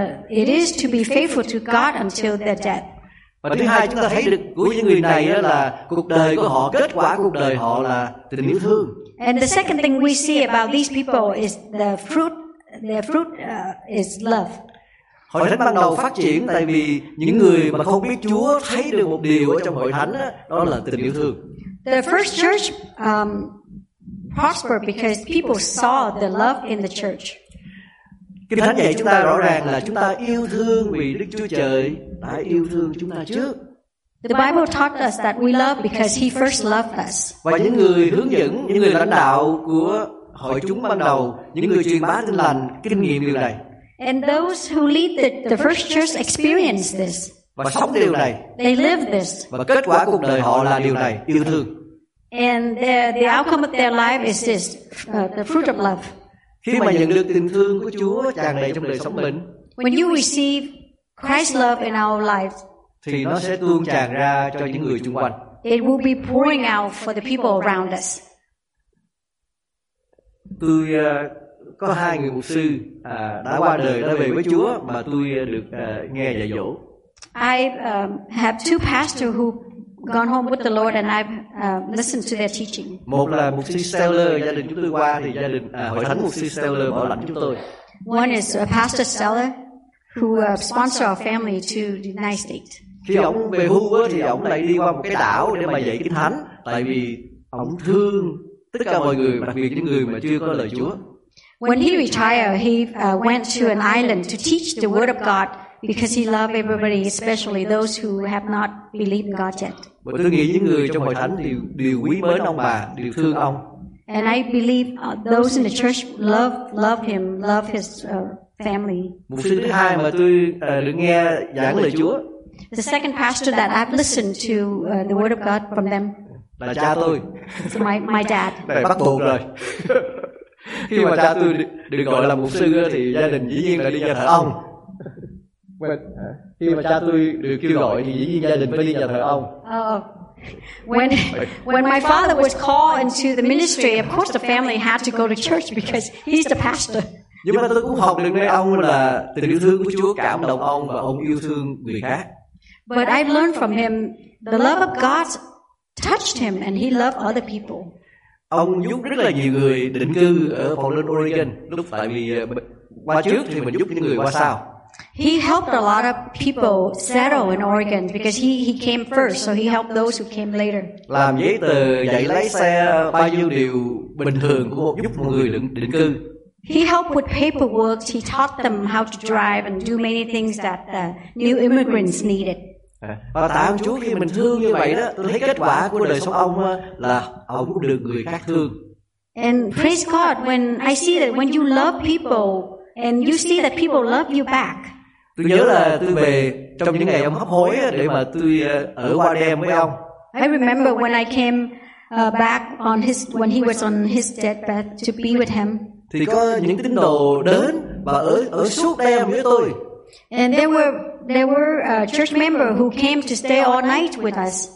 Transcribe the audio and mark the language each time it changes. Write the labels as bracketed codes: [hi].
[en] It is to be faithful to God until their death. [vi] Và thứ hai chúng ta thấy được của những người này là cuộc đời của họ, kết quả cuộc đời họ là tình yêu thương. [en] And the second thing we see about these people is their fruit is love. [vi] Hội thánh ban đầu phát triển tại vì những người mà không biết Chúa thấy được một điều ở trong hội thánh đó, đó là tình yêu thương. [en] The first church prospered because people saw the love in the church. [vi] Kinh Thánh dạy chúng ta rõ ràng là chúng ta yêu thương vì Đức Chúa Trời đã yêu thương chúng ta trước. [en] The Bible taught us that we love because He first loved us. [vi] Và những người hướng dẫn, những người lãnh đạo của hội chúng ban đầu, những người truyền bá tin lành kinh nghiệm điều này. [en] And those who lead the first church experienced this. [vi] Và sống điều này. [en] They live this. [vi] Và kết quả cuộc đời họ là điều này, yêu thương. [en] And the outcome of their life is this, the fruit of love. [vi] Khi mà nhận được tình thương của Chúa tràn đầy trong đời sống mình, [en] when you receive Christ's love in our life, [vi] thì nó sẽ tuôn tràn ra cho những người xung quanh. [en] It will be pouring out for the people around us. [vi] Tôi có hai người mục sư đã qua đời, đã về với Chúa mà tôi được nghe dạy dỗ. [en] I have two pastors who gone home with the Lord and I've listened to their teaching. [vi] Một là mục sư Steller, gia đình chúng tôi qua thì gia đình hội thánh mục sư Steller bảo lãnh chúng tôi. [en] One is a pastor Steller who sponsored our family to the United States. [vi] Khi ông về hưu thì ông lại đi qua một cái đảo để mà dạy kinh thánh, tại vì ông thương tất cả mọi người, đặc biệt những người mà chưa có lời Chúa. [en] When he retired, he went to an island to teach the word of God. Because he loved everybody, especially those who have not believed in God yet. [vi] Tôi nghĩ những người trong hội thánh đều quý mến ông bà, đều thương ông. [en] And I believe those in the church love him, love his family. [vi] Mục sư thứ hai mà tôi được nghe giảng lời Chúa. [en] The second pastor that I've listened to the word of God from them. [vi] Là cha tôi. [en] My dad. [vi] Này, bắt buộc rồi. Khi mà cha tôi được gọi là mục sư thì gia đình dĩ nhiên là đi nhà thờ ông. Khi mà cha tôi được kêu gọi thì dĩ nhiên gia đình phải đi nhà thờ ông. [en] When my father was called into the ministry, of course the family had to go to church because he's the pastor. [vi] Nhưng mà tôi cũng học được nơi ông là tình yêu thương của Chúa cảm động ông và ông yêu thương người khác. [en] But I've learned from him the love of God touched him and he loved other people. [vi] Ông giúp rất là nhiều người định cư ở Portland, Oregon. Lúc tại vì qua trước thì mình giúp những người qua sau. [en] He helped a lot of people settle in Oregon because he came first, so he helped those who came later. [vi] Làm giấy tờ, dạy lái xe, bao nhiêu điều bình thường của giúp một người định cư. [en] He helped with paperwork. He taught them how to drive and do many things that the new immigrants needed. [vi] Và tạ ơn Chúa khi mình thương như vậy đó, tôi thấy kết quả của đời sống ông là ông cũng được người khác thương. [en] And praise God when I see that when you love people. And you see that people love you back. [vi] Tôi nhớ là tôi về trong những ngày ông hấp hối để mà tôi ở qua đêm với ông. [en] I remember when I came back on his when he was on his deathbed to be with him. [vi] Thì có những tín đồ đến và ở suốt đêm với tôi. [en] And there were a church member who came to stay all night with us.